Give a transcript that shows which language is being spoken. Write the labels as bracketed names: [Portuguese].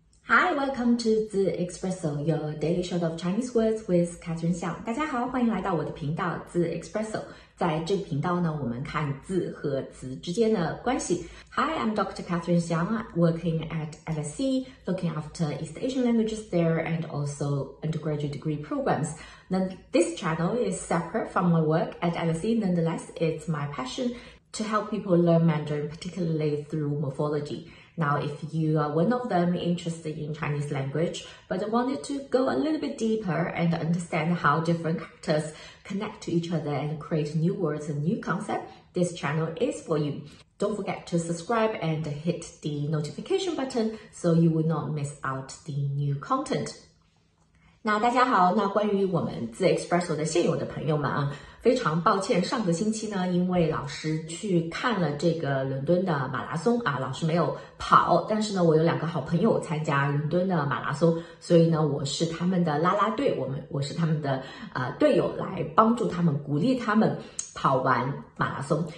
[English] Welcome to the Espresso, your daily shot of Chinese words with Catherine Xiang. [Chinese] 大家好，欢迎来到我的频道 the Espresso。在这个频道呢，我们看字和词之间的关系。 [English] Hi, I'm Dr. Catherine Xiang, working at LSC, looking after East Asian languages there and also undergraduate degree programs. Now, this channel is separate from my work at LSC. Nonetheless, it's my passion to help people learn Mandarin, particularly through morphology. Now, if you are one of them interested in Chinese language, but wanted to go a little bit deeper and understand how different characters connect to each other and create new words and new concepts, this channel is for you. Don't forget to subscribe and hit the notification button so you will not miss out the new content. [Chinese] 那大家好，那关于我们自 Espresso 的现有的朋友们啊，非常抱歉，上个星期呢，因为老师去看了这个伦敦的马拉松啊，老师没有跑，但是呢，我有两个好朋友参加伦敦的马拉松，所以呢，我是他们的拉拉队，我是他们的队友，来帮助他们，鼓励他们跑完马拉松。